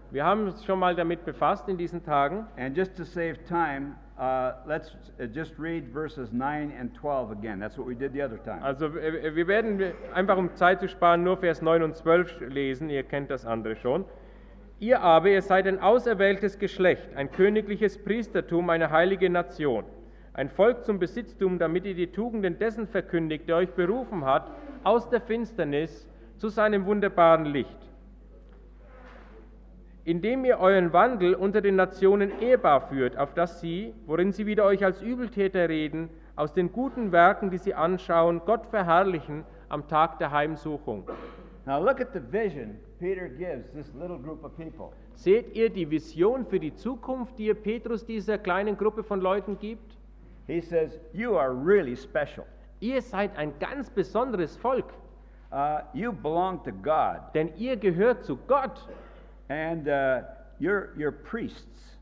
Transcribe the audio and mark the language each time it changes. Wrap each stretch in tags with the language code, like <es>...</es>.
<de>Wir haben uns schon mal damit befasst in diesen Tagen.</de> <en>And just to save time, let's just read verses 9 and 12 again. That's what we did the other time.</en> <de>Also, wir werden einfach, um Zeit zu sparen, nur Vers 9 und 12 lesen. Ihr kennt das andere schon. Ihr aber, ihr seid ein auserwähltes Geschlecht, ein königliches Priestertum, eine heilige Nation, ein Volk zum Besitztum, damit ihr die Tugenden dessen verkündigt, der euch berufen hat, aus der Finsternis zu seinem wunderbaren Licht. Indem ihr euren Wandel unter den Nationen ehrbar führt, auf dass sie, worin sie wieder euch als Übeltäter reden, aus den guten Werken, die sie anschauen, Gott verherrlichen am Tag der Heimsuchung.</de> <en>Now look at the vision Peter gives this little group of people.</en> <de>Seht ihr die Vision für die Zukunft, die ihr Petrus dieser kleinen Gruppe von Leuten gibt?</de> <en>He says, you are really special.</en> <de>Ihr seid ein ganz besonderes Volk.</de> <en>You belong to God.</en> <de>Denn ihr gehört zu Gott.</de> <en>And you're priests.</en>